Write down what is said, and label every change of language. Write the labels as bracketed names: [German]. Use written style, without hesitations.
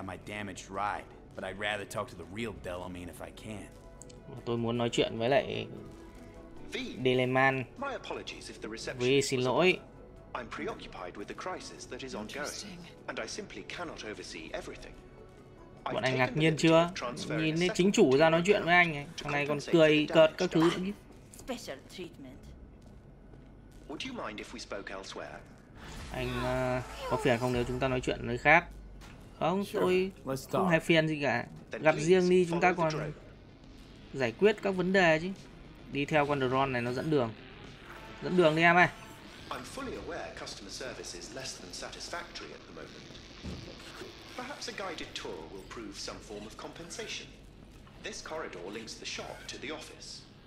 [English] My damaged ride, but I'd rather talk to the real Delamain if I can. [Vietnamese] Tôi muốn nói chuyện với lại Delaman. [English] My apologies if the reception. [Vietnamese] Vì xin lỗi. [English] I'm preoccupied with the crisis that is ongoing and I simply cannot oversee everything. [Vietnamese] Bọn anh ngạc nhiên chưa? Nhìn thấy chính chủ ra nói chuyện với anh ấy, thằng này còn cười cợt các thứ. [English] Special treatment. Would you mind if we spoke elsewhere? [Vietnamese] Anh có phiền không nếu chúng ta nói chuyện nơi khác? Không, tôi không hề phiền gì cả. Gặp riêng đi, chúng ta còn giải quyết các vấn đề chứ. Đi theo con drone này nó dẫn đường. Dẫn đường đi em ơi. [English] I'm fully aware customer service is less than satisfactory at the moment. Perhaps a guided tour will prove some form of compensation. This corridor links the shop to the office.